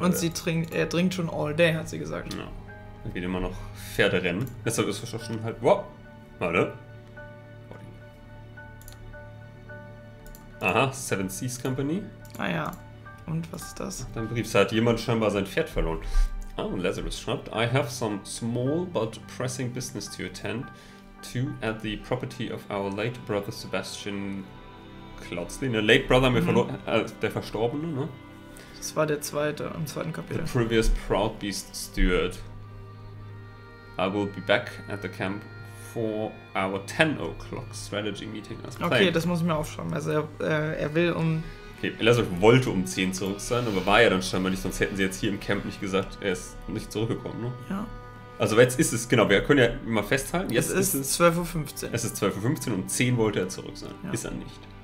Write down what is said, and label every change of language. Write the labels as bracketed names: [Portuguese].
[German] Und er trinkt schon [English] all day, [German] hat sie gesagt. Ja. Er geht immer noch Pferde rennen. Deshalb ist er schon halt. Wow! Warte. Aha, Seven Seas Company. Ah ja. Und was ist das? Dein Brief, da hat jemand scheinbar sein Pferd verloren. Ah, und Lazarus schreibt, [English] I have some small but pressing business to attend to at the property of our late brother Sebastian Cloudsley. [German] Ne, late brother haben wir verloren, der Verstorbene, ne? Das war der zweite, im zweiten Kapitel. [English] The previous proud beast steward. I will be back at the camp for our 10 o'clock strategy meeting. [German] Okay, das muss ich mir aufschreiben. Also er will um... Okay, Lazarus wollte um 10 zurück sein, aber war ja dann scheinbar nicht, sonst hätten sie jetzt hier im Camp nicht gesagt, er ist nicht zurückgekommen, ne? Ja. Also jetzt ist es, genau, wir können ja mal festhalten, jetzt es ist 12.15 Uhr. Es ist 12.15 Uhr und um 10 wollte er zurück sein. Ja. Ist er nicht.